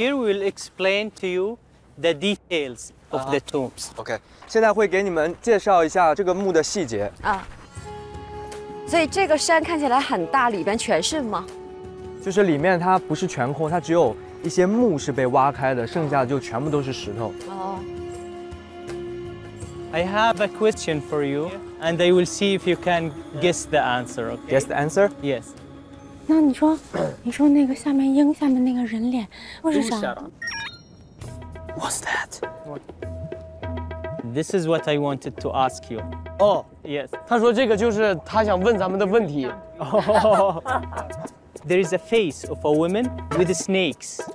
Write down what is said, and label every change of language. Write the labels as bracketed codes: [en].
[en] Here will explain to you the details of the tombs. [zh] OK， 现在会给你们介绍一下这个墓的细节。啊。所以这个山看起来很大，里边全是吗？就是里面它不是全空，它只有一些墓是被挖开的，剩下的就全部都是石头。 [en] I have a question for you, and I will see if you can guess the answer. Okay? Guess the answer? Yes. [zh] 那你说那个下面鹰下面那个人脸，为什么 [en] ？What's that? This is what I wanted to ask you. Oh, yes. [zh] 他说这个就是他想问咱们的问题。 [en] There is a face of a woman with snakes.